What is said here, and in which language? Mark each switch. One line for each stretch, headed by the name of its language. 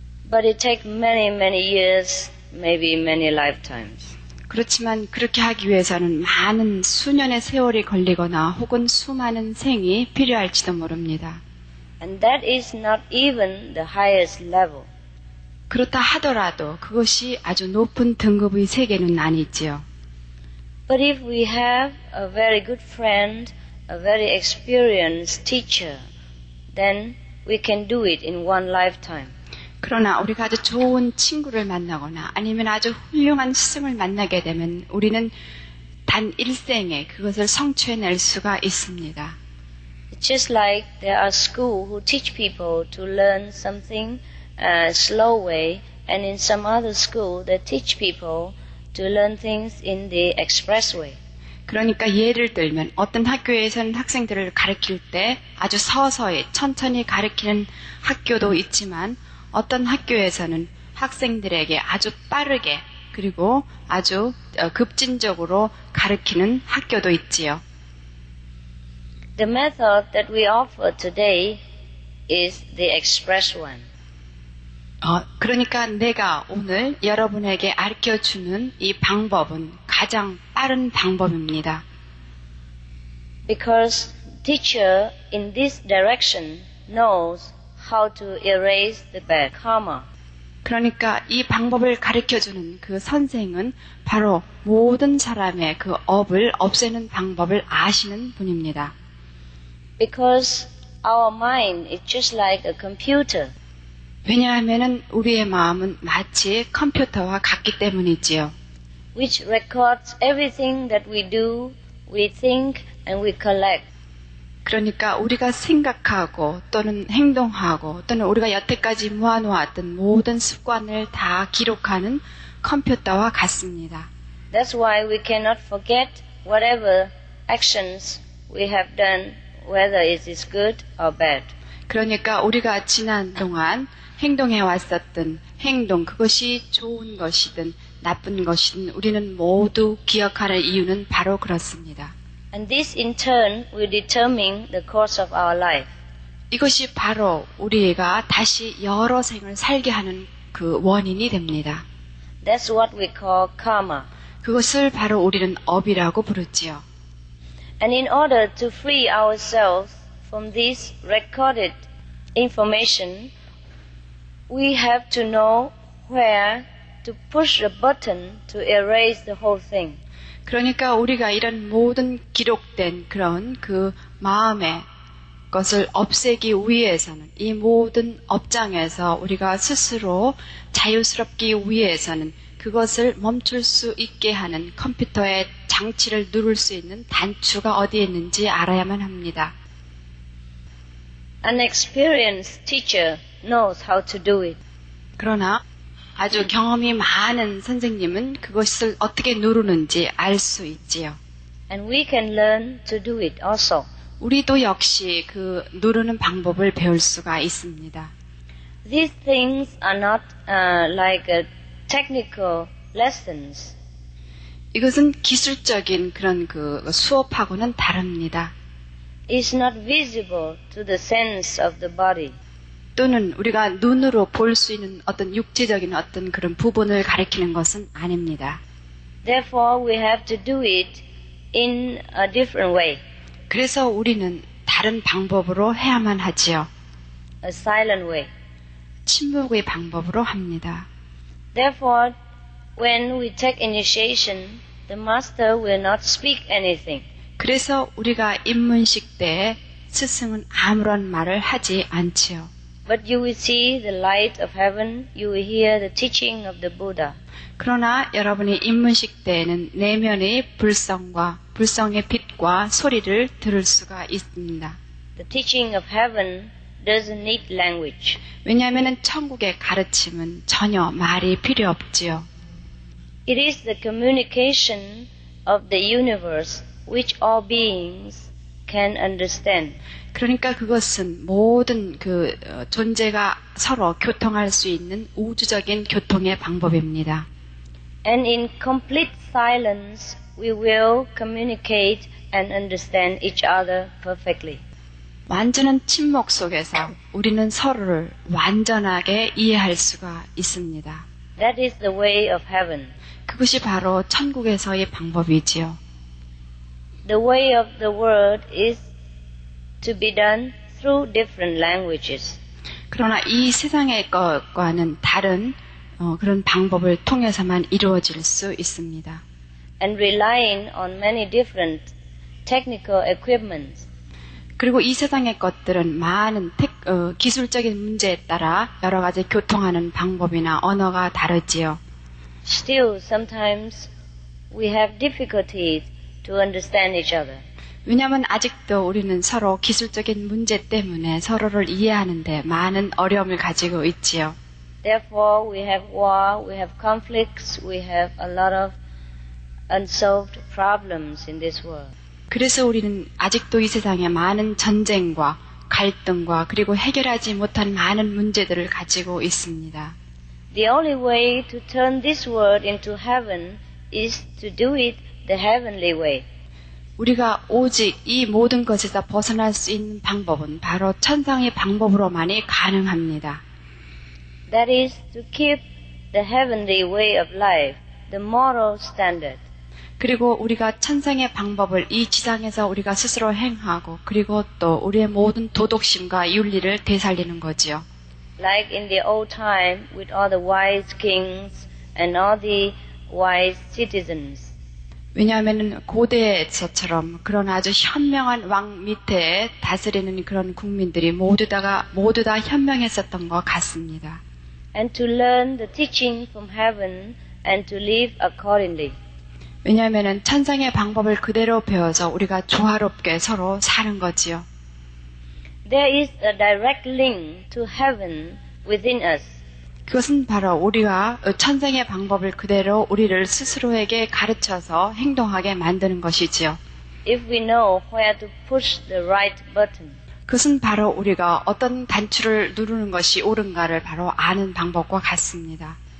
English: But it takes many, many years, maybe many lifetimes.
Korean: 그렇지만 그렇게 하기 위해서는 많은 수년의 세월이 걸리거나 혹은 수많은 생이 필요할지도 모릅니다.
English: And that is not even the highest level.
Korean: 그렇다 하더라도 그것이 아주 높은 등급의 세계는 아니지요.
English: But if we have a very good friend, a very experienced teacher, then we can do it in one lifetime.
Korean: 그러나 우리가 아주 좋은 친구를 만나거나 아니면 아주 훌륭한 스승을 만나게 되면 우리는 단 일생에 그것을 성취해낼 수가 있습니다.
English: It's just like there are schools who teach people to learn something slow way, and in some other school they teach people to learn things in the express way.
Korean: 그러니까 예를 들면 어떤 학교에서는 학생들을 가르칠 때 아주 서서히 천천히 가르치는 학교도 있지만 어떤 학교에서는 학생들에게 아주 빠르게 그리고 아주 급진적으로 가르치는 학교도 있지요.
English: The method that we offer today is the express one.
Korean: 그러니까 내가 오늘 여러분에게 알려주는 이 방법은 가장 빠른 방법입니다.
English: Because teacher in this direction knows how to erase the bad karma.
Korean: 그러니까 이 방법을 가르쳐주는 그 선생은 바로 모든 사람의 그 업을 없애는 방법을 아시는 분입니다.
English: Because our mind is just like a computer.
Korean: 왜냐하면은 우리의 마음은 마치 컴퓨터와 같기 때문이지요.
English: Which records everything that we do, we think, and we collect.
Korean: 그러니까 우리가 생각하고 또는 행동하고 또는 우리가 여태까지 모아놓았던 모든 습관을 다 기록하는 컴퓨터와 같습니다.
English: That's why we cannot forget whatever actions we have done, whether it is good or bad.
Korean: 그러니까 우리가 지난 동안 행동해 왔었던 행동, 그것이 좋은 것이든 나쁜 것이든 우리는 모두 기억하는 이유는 바로 그렇습니다.
English: And this in turn will determine the course of our life.
Korean: 이것이 바로 우리가 다시 여러 생을 살게 하는 그 원인이 됩니다.
English: That's what we call karma.
Korean: 그것을 바로 우리는 업이라고 부르지요.
English: And in order to free ourselves from this recorded information, we have to know where to push the button to erase the whole thing.
Korean: 그러니까 우리가 이런 모든 기록된 그런 그 마음의 것을 없애기 위해서는 이 모든 업장에서 우리가 스스로 자유스럽기 위해서는 그것을 멈출 수 있게 하는 컴퓨터의 장치를 누를 수 있는 단추가 어디에 있는지 알아야만 합니다.
English: An experienced teacher knows how to do it.
Korean: 그러나 아주 경험이 많은 선생님은 그것을 어떻게 누르는지 알 수 있지요.
English: And we can learn to do it also.
Korean: 우리도 역시 그 누르는 방법을 배울 수가 있습니다.
English: These things are not like technical lessons.
Korean: 이것은 기술적인 그런 그 수업하고는 다릅니다.
English: It's not visible to the sense of the body.
Korean: 또는 우리가 눈으로 볼 수 있는 어떤 육체적인 어떤 그런 부분을 가리키는 것은 아닙니다.
English: Therefore, we have to do it in a different way.
Korean: 그래서 우리는 다른 방법으로 해야만 하지요.
English: A silent way.
Korean: 침묵의 방법으로 합니다.
English: Therefore, when we take initiation, the master will not speak anything.
Korean: 그래서 우리가 입문식 때 스승은 아무런 말을 하지 않지요.
English: But you will see the light of heaven. You will hear the teaching of the Buddha.
Korean: 그러나 여러분이 입문식 때에는 내면의 불성과 불성의 빛과 소리를 들을 수가 있습니다.
English: The teaching of heaven doesn't need language.
Korean: 왜냐하면은 천국의 가르침은 전혀 말이 필요 없지요.
English: It is the communication of the universe which all beings can understand.
Korean: 그러니까 그것은 모든 그 존재가 서로 교통할 수 있는 우주적인 교통의 방법입니다.
English: And in complete silence, we will communicate and understand each other perfectly.
Korean: 완전한 침묵 속에서 우리는 서로를 완전하게 이해할 수가 있습니다.
English: That is the way of heaven.
Korean: 그것이 바로 천국에서의 방법이지요.
English: The way of the world is to be done through different languages.
Korean: 그러나 이 세상의 것과는 다른 그런 방법을 통해서만 이루어질 수 있습니다.
English: And relying on many different technical equipment.
Korean: 그리고 이 세상의 것들은 많은 기술적인 문제에 따라 여러 가지 교통하는 방법이나 언어가 다르지요.
English: Still, sometimes we have difficulties to understand each other.
Korean: 왜냐하면 아직도 우리는 서로 기술적인 문제 때문에 서로를 이해하는데 많은 어려움을 가지고 있지요.
English: Therefore, we have war, we have conflicts, we have a lot of unsolved problems in this world.
Korean: 그래서 우리는 아직도 이 세상에 많은 전쟁과 갈등과 그리고 해결하지 못한 많은 문제들을 가지고 있습니다.
English: The only way to turn this world into heaven is to do it the heavenly way.
Korean: 우리가 오직 이 모든 것에서 벗어날 수 있는 방법은 바로 천상의 방법으로만이 가능합니다.
English: That is to keep the heavenly way of life, the moral standard.
Korean: 그리고 우리가 천상의 방법을 이 지상에서 우리가 스스로 행하고 그리고 또 우리의 모든 도덕심과 윤리를 되살리는 거지요.
English: Like in the old time with all the wise kings and all the wise citizens.
Korean: 왜냐하면 고대에서처럼 그런 아주 현명한 왕 밑에 다스리는 그런 국민들이 모두 다 현명했었던 것 같습니다.
English: And to learn the teaching from heaven and to live accordingly.
Korean: 왜냐하면 천상의 방법을 그대로 배워서 우리가 조화롭게 서로 사는 거지요.
English: There is a direct link to heaven within us.
Korean: 그것은 바로 우리가 천상의 방법을 그대로 우리를 스스로에게 가르쳐서 행동하게 만드는 것이지요.
English: If we know where to push the right button.
Korean: 그것은 바로 우리가 어떤 단추를 누르는 것이 옳은가를 바로 아는 방법과 같습니다.